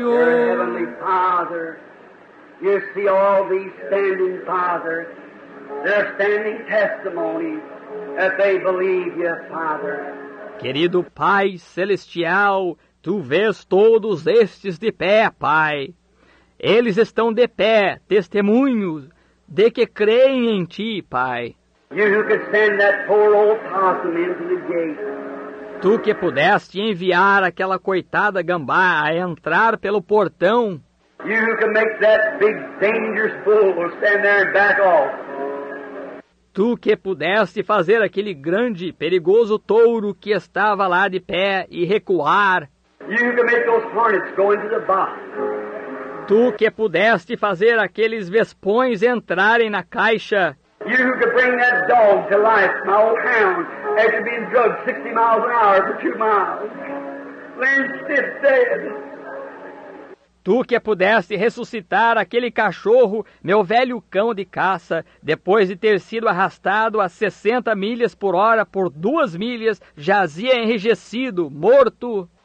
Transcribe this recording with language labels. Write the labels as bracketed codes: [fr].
[en] Heavenly Father, you see all these standing, Father. They're standing testimony that they believe you, Father. [pt] Querido Pai Celestial, tu vês todos estes de pé, Pai. Eles estão de pé, testemunhos de que creem em ti, Pai. [en] You who could send that poor old possum into the gate. [pt] Tu que pudeste enviar aquela coitada gambá a entrar pelo portão. [en] You who could make that big dangerous bull stand there and back off. [pt] Tu que pudeste fazer aquele grande perigoso touro que estava lá de pé e recuar. [en] You who could make those hornets go into the box. [pt] Tu que pudeste fazer aqueles vespões entrarem na caixa. [en] You who could bring that dog to life, my old hound, after being drugged 60 miles an hour for 2 miles. Lynch stiff dead. [pt] Tu que pudeste ressuscitar aquele cachorro, meu velho cão de caça, depois de ter sido arrastado a 60 milhas por hora por 2 milhas, jazia enrijecido, morto.